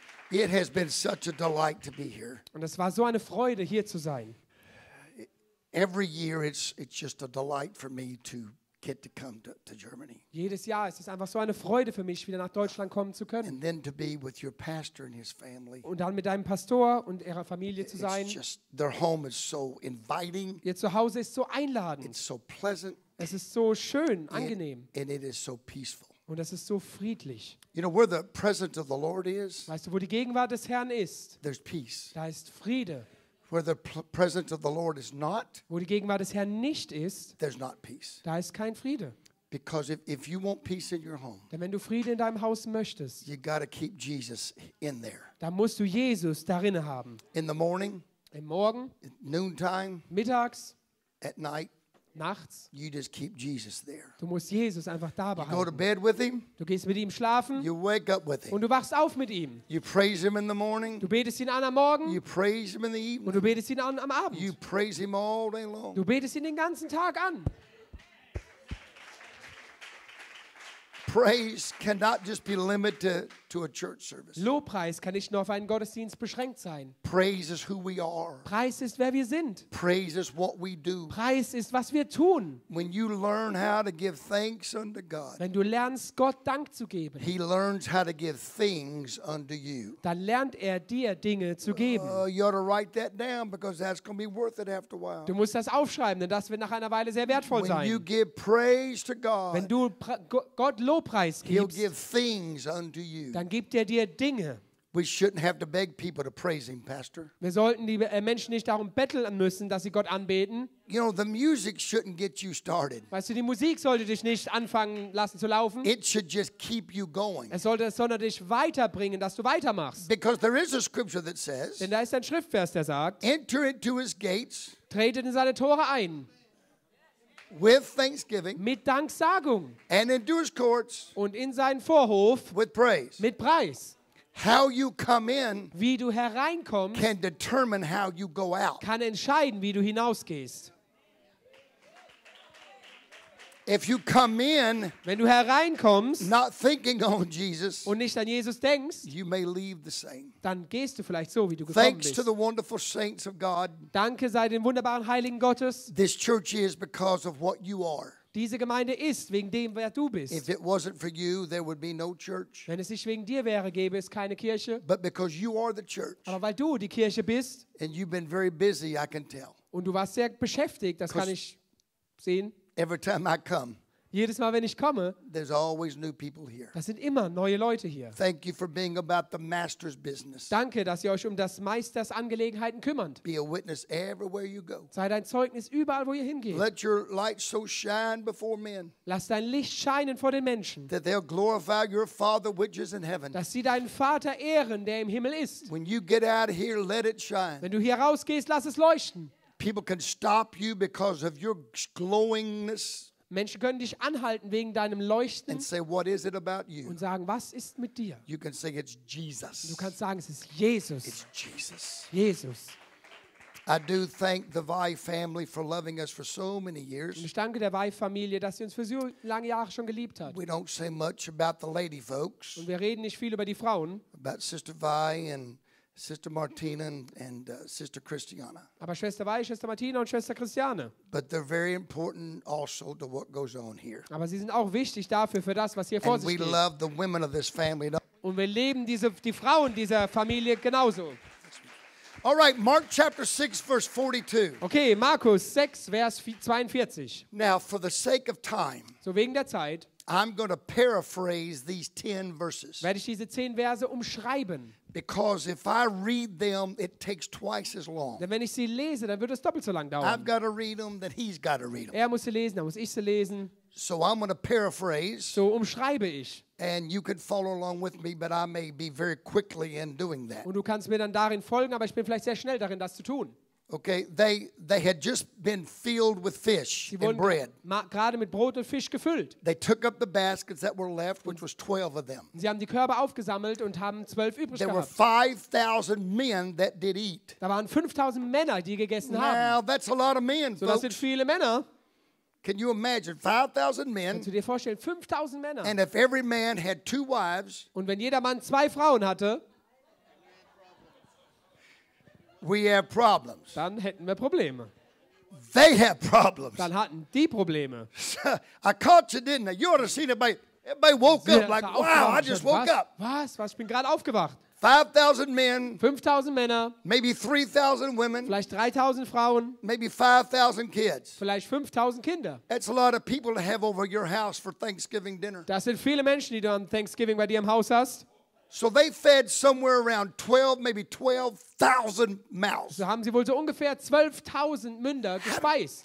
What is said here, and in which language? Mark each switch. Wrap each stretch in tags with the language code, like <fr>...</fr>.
<en>It has been such a delight to be here.</en> <de>Und es war so eine Freude, hier zu sein.</de> <en>Every year it's just a delight for me to get to come to Germany.</en> <de>Jedes Jahr ist es einfach so eine Freude für mich, wieder nach Deutschland kommen zu können.</de> <en>And then to be with your pastor and his family.</en> <de>Und dann mit deinem Pastor und ihrer Familie zu sein.</de> <en>It's just, their home is so inviting.</en> <de>Ihr Zuhause ist so einladend.</de> <en>It's so pleasant.</en> <de>Es ist so schön, angenehm.</de> <en>And it is so peaceful.</en> <de>Und es ist so friedlich.</de> <en>You know where the presence of the Lord is?</en> <de>Weißt du, wo die Gegenwart des Herrn ist?</de> <en>There's peace.</en> <de>Da ist Friede.</de> <en>Where the presence of the Lord is not,</en> <de>wo die Gegenwart des Herrn nicht ist,</de> <en>there's not peace.</en> <de>Da ist kein Friede.</de> <en>Because if you want peace in your home,</en> <de>denn wenn du Frieden in deinem Haus möchtest,</de> <en>you gotta keep Jesus in there.</en> <de>Dann musst du Jesus darin haben.</de> <en>In the morning,</en> <de>im Morgen,</de> <en>at noontime,</en> <de>mittags,</de> <en>at night,</en> <de>nachts,</de> <en>you just keep Jesus there.</en> <de>Du musst Jesus einfach da behalten.</de> <en>You go to bed with him,</en> <de>du gehst mit ihm schlafen,</de> <en>you wake up with him,</en> <de>und du wachst auf mit ihm.</de> <en>You praise him in the morning,</en> <de>du betest ihn an am Morgen,</de> <en>you praise him in the evening,</en> <de>und du betest ihn an am Abend.</de> <en>You praise him all day long,</en> <de>du betest ihn den ganzen Tag an.</de> <en>Praise cannot just be limited to a church service.</en> <de>Lobpreis kann nicht nur auf einen Gottesdienst beschränkt sein.</de> <en>Praise is who we are.</en> <de>Preis ist, wer wir sind.</de> <en>Praise is what we do.</en> <de>Preis ist, was wir tun.</de> <en>When you learn how to give thanks unto God,</en> <de>wenn du lernst, Gott Dank zu geben,</de> <en>he learns how to give things unto you.</en> <de>Dann lernt er dir Dinge zu geben.</de> <en>You ought to write that down because that's going to be worth it after a while.</en> <de>Du musst das aufschreiben, denn das wird nach einer Weile sehr wertvoll sein.</de> <en>When you give praise to God,</en> <de>wenn du Gott Lobpreis gibst,</de> <en>he'll give things unto you.</en> <de>Dann gibt er dir Dinge.</de> <en>We shouldn't have to beg people to praise him, Pastor.</en> <de>Wir sollten die Menschen nicht darum betteln müssen, dass sie Gott anbeten.</de> <en>You know, the music shouldn't get you started.</en> <de>Weißt du, die Musik sollte dich nicht anfangen lassen zu laufen.</de> <en>It should just keep you going.</en> <de>Es sollte sondern dich weiterbringen, dass du weitermachst.</de> <en>Because there is a scripture that says,</en> <de>denn da ist ein Schriftvers, der sagt,</de> <en>enter into his gates,</en> <de>tretet in seine Tore ein,</de> <en>with thanksgiving,</en> <de>mit Danksagung,</de> <en>and into his courts,</en> <de>und in seinen Vorhof,</de> <en>with praise,</en> <de>mit Preis.</de> <en>How you come in,</en> <de>wie du hereinkommst,</de> <en>can determine how you go out,</en> <de>kann entscheiden, wie du hinausgehst.</de> <en>If you come in,</en> <de>wenn du hereinkommst,</de> <en>not thinking on Jesus,</en> <de>und nicht an Jesus denkst,</de> <en>you may leave the same.</en> <de>Dann gehst du vielleicht so, wie du gekommen bist.</de> <en>Thanks to the wonderful saints of God.</en> <de>Danke sei den wunderbaren Heiligen Gottes.</de> <en>This church is because of what you are.</en> <de>Diese Gemeinde ist wegen dem, wer du bist.</de> <en>If it wasn't for you, there would be no church.</en> <de>Wenn es nicht wegen dir wäre, gäbe es keine Kirche.</de> <en>But because you are the church,</en> <de>aber weil du die Kirche bist,</de> <en>and you've been very busy, I can tell.</en> <de>Und du warst sehr beschäftigt, das kann ich sehen.</de> <en>Every time I come,</en> <de>jedes Mal, wenn ich komme,</de> <en>there's always new people here.</en> <de>Das sind immer neue Leute hier.</de> <en>Thank you for being about the master's business.</en> <de>Danke, dass ihr euch um das Meisters Angelegenheiten kümmert.</de> <en>Be a witness everywhere you go.</en> <de>Seid ein Zeugnis überall, wo ihr hingeht.</de> <en>Let your light so shine before men.</en> <de>Lass dein Licht scheinen vor den Menschen.</de> <en>That they'll glorify your Father which is in heaven.</en> <de>Dass sie deinen Vater ehren, der im Himmel ist.</de> <en>When you get out of here, let it shine.</en> <de>Wenn du hier rausgehst, lass es leuchten.</de> <en>People can stop you because of your glowingness.</en> <de>Menschen können dich anhalten wegen deinem Leuchten.</de> <en>And say, what is it about you?</en> <de>Und sagen, was ist mit dir?</de> <en>You can say, it's Jesus.</en> <de>Du kannst sagen, es ist Jesus.</de> <en>It's Jesus.</en> <de>Jesus.</de> <en>I do thank the Vai family for loving us for so many years.</en> <de>Ich danke der Vai-Familie, dass sie uns für so lange Jahre schon geliebt hat.</de> <en>We don't say much about the lady folks.</en> <de>Und wir reden nicht viel über die Frauen.</de> <en>About Sister Vai and Sister Martina and Sister Christiana.</en> <de>Aber Schwester Vai, Schwester Martina und Schwester Christiane.</de> <en>But they're very important also to what goes on here.</en> <de>Aber sie sind auch wichtig dafür für das, was hier</de> <en>and</en> <de>vor sich</de> <en>we</en> <de>geht.</de> <en>Love the women of this family.</en> <de>Und wir lieben die Frauen dieser Familie genauso.</de> <en>All right, Mark chapter 6 verse 42.</en> <de>Okay, Markus 6 Vers 42.</de> <en>Now for the sake of time.</en> <de>So wegen der Zeit.</de> <en>I'm going to paraphrase these 10 verses.</en> <de>Werde ich diese 10 Verse umschreiben.</de> <en>Because if I read them, it takes twice as long.</en> <de>Denn wenn ich sie lese, dann wird es doppelt so lang dauern.</de> <en>I've got to read them, then he's got to read them.</en> <de>Er muss sie lesen, dann muss ich sie lesen.</de> <en>So I'm going to paraphrase.</en> <de>So umschreibe ich.</de> <en>And you can follow along with me, but I may be very quickly in doing that.</en> <de>Und du kannst mir dann darin folgen, aber ich bin vielleicht sehr schnell darin, das zu tun.</de> <en>Okay, they had just been filled with fish and bread.</en> <de>Gerade mit Brot und Fisch gefüllt.</de> <en>They took up the baskets that were left, which was 12 of them.</en> <de>Sie haben die Körbe aufgesammelt und haben 12 übrig gehabt.</de> <en>There were 5,000 men that did eat.</en> <de>Da waren 5,000 Männer, die gegessen haben.</de> <en>Now that's a lot of men.</en> <de>So das sind viele Männer.</de> <en>Can you imagine 5,000 men?</en> <de>Kannst du dir vorstellen, 5,000 Männer?</de> <en>And if every man had two wives.</en> <de>Und wenn jeder Mann zwei Frauen hatte.</de> <en>We have problems.</en> <de>Dann hätten wir Probleme.</de> <en>They have problems.</en> <de>Dann hatten die Probleme.</de> <en>I caught you, didn't I? You ought to see everybody woke</en> <de>sie</de> <en>up like, wow, I just woke</en> <de>was,</de> <en>up.</en> <de>Was? Ich bin gerade aufgewacht.</de> <en>5,000 men.</en> <de>5,000 Männer.</de> <en>Maybe 3,000 women.</en> <de>Vielleicht 3,000 Frauen.</de> <en>Maybe 5,000 kids.</en> <de>Vielleicht 5,000 Kinder.</de> <en>That's a lot of people to have over your house for Thanksgiving dinner.</en> <de>Das sind viele Menschen, die du an Thanksgiving bei dir im Haus hast.</de> <en>So they fed somewhere around 12, maybe 12,000 mouths.</en> <de>So haben sie wohl so ungefähr 12,000 Münder gespeist.</de>